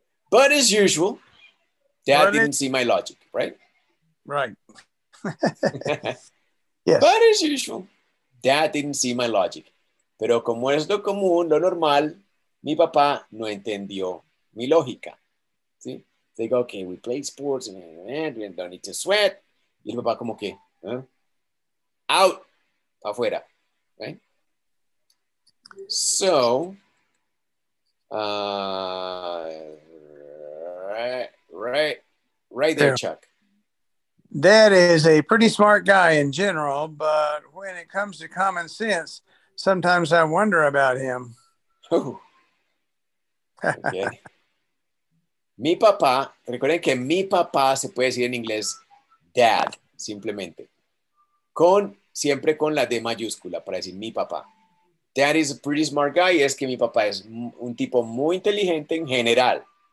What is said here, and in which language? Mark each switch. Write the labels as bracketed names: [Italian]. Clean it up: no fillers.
[English] But as usual, Dad didn't see my logic, right? Right. Yes. But as usual, Dad didn't see my logic. [Spanish] Pero como es lo común, lo normal, mi papá no entendió mi lógica. ¿Sí? [English] They go, okay, we play sports and we don't need to sweat. [Spanish] Y el papá como que, ¿eh? Out, pa afuera. Right? [English] So, right there, Chuck. Dad is a pretty smart guy in general, but when it comes to common sense, sometimes I wonder about him. Oh, [Spanish] Mi papá, recuerden que mi papá se puede decir en inglés dad, simplemente. Siempre con la D mayúscula para decir mi papá. [English] Dad is a pretty smart guy, [Spanish] es que mi papá es un tipo muy inteligente en general.